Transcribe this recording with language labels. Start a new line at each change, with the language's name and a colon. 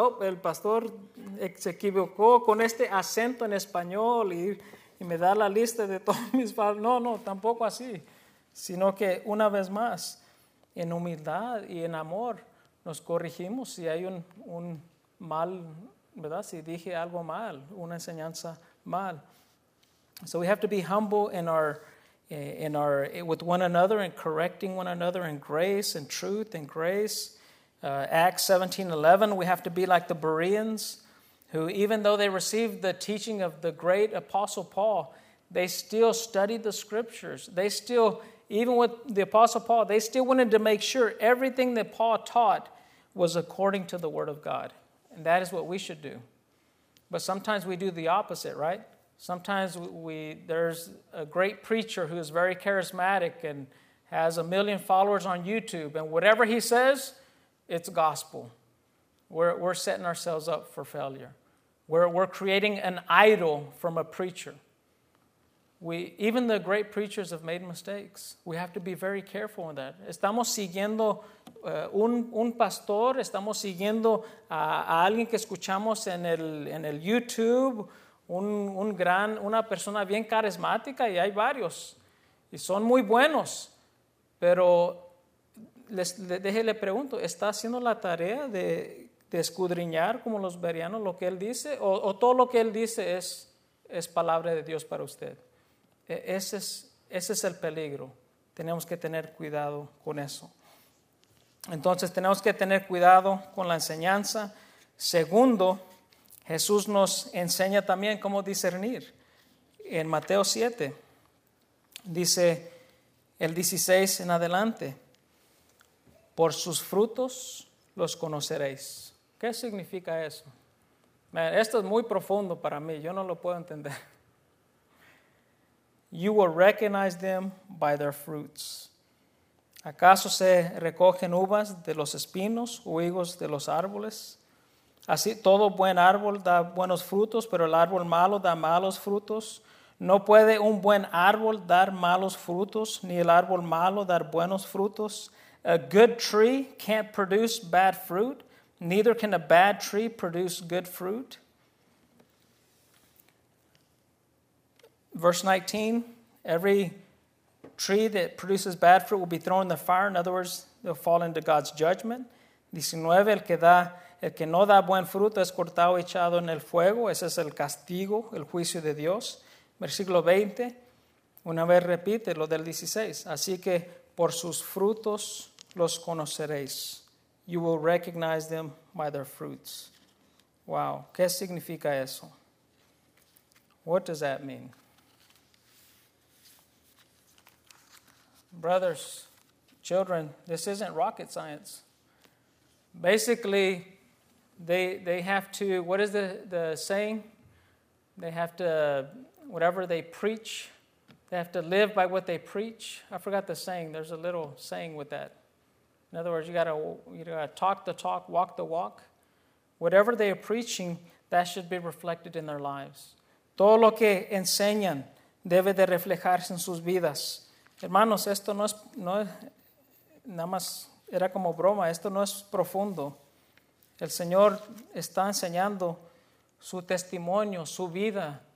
Spanish: Oh, el pastor se equivocó con este acento en español y me da la lista de todos mis palabras. No, tampoco así, sino que una vez más, en humildad y en amor, nos corregimos si hay un mal, ¿verdad? Si dije algo mal, una enseñanza mal.
English: So we have to be humble in our with one another and correcting one another in grace and truth and grace. Acts 17:11, we have to be like the Bereans, who even though they received the teaching of the great apostle Paul, they still studied the scriptures. They still, even with the Apostle Paul, they still wanted to make sure everything that Paul taught was according to the Word of God. And that is what we should do. But sometimes we do the opposite, right? Sometimes there's a great preacher who is very charismatic and has a million followers on YouTube, and whatever he says, it's gospel. We're setting ourselves up for failure. We're creating an idol from a preacher. Even the great preachers have made mistakes. We have to be very careful in that.
Spanish: Estamos siguiendo un pastor, estamos siguiendo a alguien que escuchamos en el YouTube, una persona bien carismática, y hay varios, y son muy buenos. Pero le pregunto, ¿está haciendo la tarea de escudriñar como los berianos lo que él dice? ¿O todo lo que él dice es palabra de Dios para usted? Ese es el peligro. Tenemos que tener cuidado con eso. Entonces, tenemos que tener cuidado con la enseñanza. Segundo, Jesús nos enseña también cómo discernir. En Mateo 7, dice el 16 en adelante, por sus frutos los conoceréis. ¿Qué significa eso? Man, esto es muy profundo para mí, yo no lo puedo entender.
English: You will recognize them by their fruits.
Spanish: ¿Acaso se recogen uvas de los espinos o higos de los árboles? Así todo buen árbol da buenos frutos, pero el árbol malo da malos frutos. ¿No puede un buen árbol dar malos frutos, ni el árbol malo dar buenos frutos?
English: A good tree can't produce bad fruit, neither can a bad tree produce good fruit. Verse 19, every tree that produces bad fruit will be thrown in the fire. In other words, they'll fall into God's judgment.
Spanish: 19, el que no da buen fruto es cortado y echado en el fuego. Ese es el castigo, el juicio de Dios. Versículo 20, una vez repite lo del 16. Así que por sus frutos los conoceréis.
English: You will recognize them by their fruits. Wow,
Spanish: ¿qué significa eso?
English: What does that mean? Brothers, children, this isn't rocket science. Basically, they have to, what is the saying? They have to, whatever they preach, they have to live by what they preach. I forgot the saying. There's a little saying with that. In other words, you gotta talk the talk, walk the walk. Whatever they are preaching, that should be reflected in their lives.
Spanish: Todo lo que enseñan debe de reflejarse en sus vidas. Hermanos, esto no es nada más, era como broma, esto no es profundo. El Señor está enseñando su testimonio, su vida.